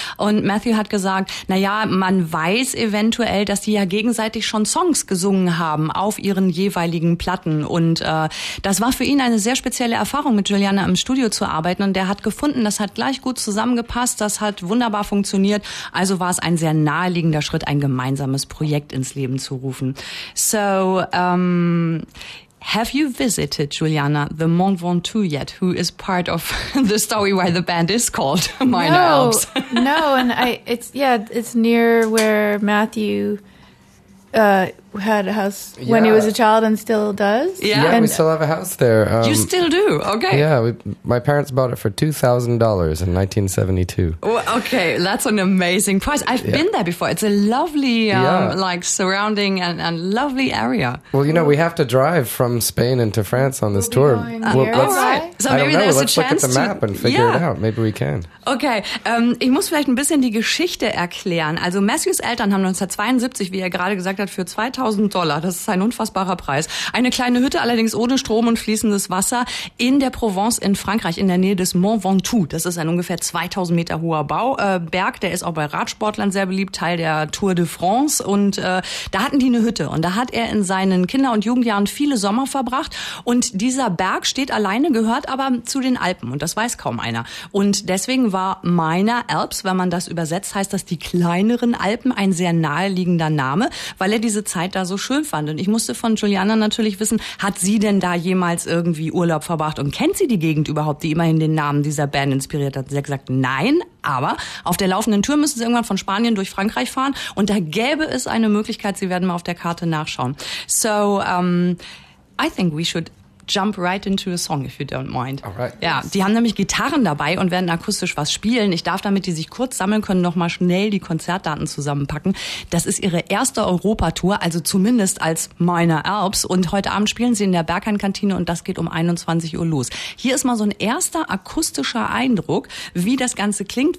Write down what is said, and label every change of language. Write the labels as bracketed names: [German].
[German] Und Matthew hat gesagt, naja, man weiß eventuell, dass die ja gegenseitig schon Songs gesungen haben auf ihren jeweiligen Platten. Und das war für ihn eine sehr spezielle Erfahrung, mit Juliana im Studio zu arbeiten. Und er hat gefunden, das hat gleich gut zusammengepasst. Das hat wunderbar funktioniert. Also war es ein sehr naheliegender Schritt, ein gemeinsames Projekt ins Leben zu rufen. [English] So, have you visited Juliana the Mont Ventoux yet? Who is part of the story why the band is called Minor Alps? No, and it's near where Matthew had a house when he was a child and still does. Yeah, and we still have a house there. You still do? Okay. Yeah, my parents bought it for $2,000 in 1972. Well, okay, that's an amazing price. I've been there before. It's a lovely like surrounding and lovely area. Well, you know, we have to drive from Spain into France on this tour. Let's look at the map and figure it out. Maybe we can. [German] Okay, ich muss vielleicht ein bisschen die Geschichte erklären. Also Matthews Eltern haben 1972, wie er gerade gesagt hat, für $2,000, das ist ein unfassbarer Preis, eine kleine Hütte, allerdings ohne Strom und fließendes Wasser, in der Provence in Frankreich, in der Nähe des Mont Ventoux. Das ist ein ungefähr 2000 Meter hoher Berg, der ist auch bei Radsportlern sehr beliebt, Teil der Tour de France. Und da hatten die eine Hütte. Und da hat er in seinen Kinder- und Jugendjahren viele Sommer verbracht. Und dieser Berg steht alleine, gehört aber zu den Alpen. Und das weiß kaum einer. Und deswegen war Minor Alps, wenn man das übersetzt, heißt das die kleineren Alpen, ein sehr naheliegender Name, weil er diese Zeit da so schön fand. Und ich musste von Juliana natürlich wissen, hat sie denn da jemals irgendwie Urlaub verbracht und kennt sie die Gegend überhaupt, die immerhin den Namen dieser Band inspiriert hat? Sie hat gesagt, nein, aber auf der laufenden Tour müssen sie irgendwann von Spanien durch Frankreich fahren und da gäbe es eine Möglichkeit, sie werden mal auf der Karte nachschauen. [English] So, I think we should jump right into a song, if you don't mind. All right. [German] Ja, die haben nämlich Gitarren dabei und werden akustisch was spielen. Ich darf, damit die sich kurz sammeln können, nochmal schnell die Konzertdaten zusammenpacken. Das ist ihre erste Europatour, also zumindest als Minor Alps. Und heute Abend spielen sie in der Berghain-Kantine und das geht um 21 Uhr los. Hier ist mal so ein erster akustischer Eindruck, wie das Ganze klingt.